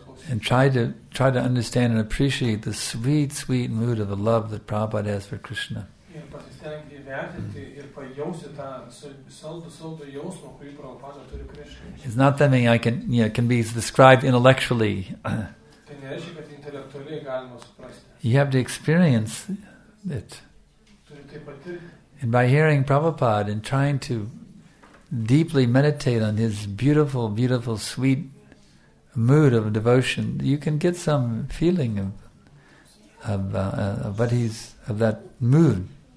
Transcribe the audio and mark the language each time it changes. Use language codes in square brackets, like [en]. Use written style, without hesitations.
[en] And try to understand and appreciate the sweet, sweet mood of the love that Prabhupada has for Krishna. Yeah, [lt] pasistengti įvertinti ir pajausti tą saldų jausmą, kurį Prabhupada turi Krishna. [en] It's not something I can, you know, can be described intellectually. [lt] Tai nereiškia, kad intelektualiai galima suprasti. [en] You have to experience it. [lt] Turi tai patirti. [en] And by hearing Prabhupada and trying to deeply meditate on his beautiful, beautiful, sweet mood of devotion, you can get some feeling of what he's, of that mood.